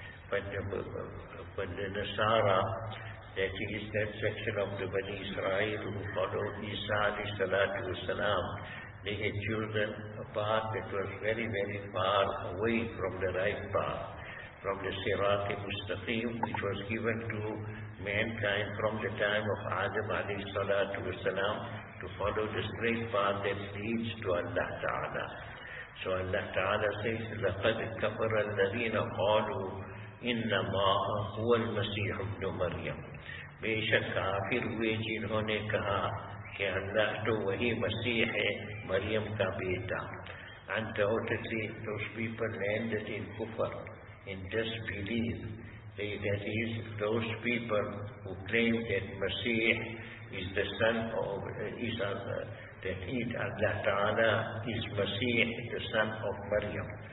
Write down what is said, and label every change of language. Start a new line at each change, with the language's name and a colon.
English: But the Nasara, that is that section of the Bani Israel who followed Isa alayhi salatu wasalam, they had chosen a path that was very, very far away from the right path, from the Sirat-e-Mustaqim, which was given to mankind from the time of Adam alayhi salatu wasalam, to follow the straight path that leads to Allah Ta'ala. So Allah Ta'ala says,
Arabic: لَقَدْ كَفَرَ الَّذِينَ قَالُوا إِنَّمَا هُوَ الْمَسِيحُ ابْنُ مَرْيَمُ.
Urdu: بے شک کافر ہوئے جنہوں نے کہا کہ اللہ تو وہی مسیح ہے مریم کا بیٹا.
English: Undoubtedly, those people landed in kufr, in disbelief. That is, those people who claim that Masih is the son of Isa, that it, Allah Ta'ala is Masih, the son of Maryam.